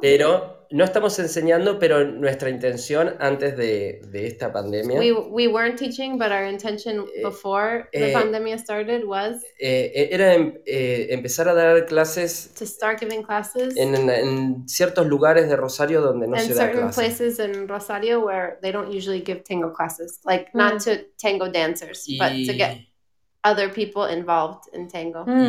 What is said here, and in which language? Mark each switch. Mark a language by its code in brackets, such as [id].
[es] Pero no estamos enseñando, pero nuestra intención antes de esta pandemia... [en] We weren't teaching, but our intention before the pandemia started was... [es] Empezar a dar clases... [en] To start giving classes. [es] En ciertos lugares de Rosario donde no se da clases. [en] In certain places in Rosario where they don't usually give tango classes. Like, not to tango dancers, but to get other people involved in tango.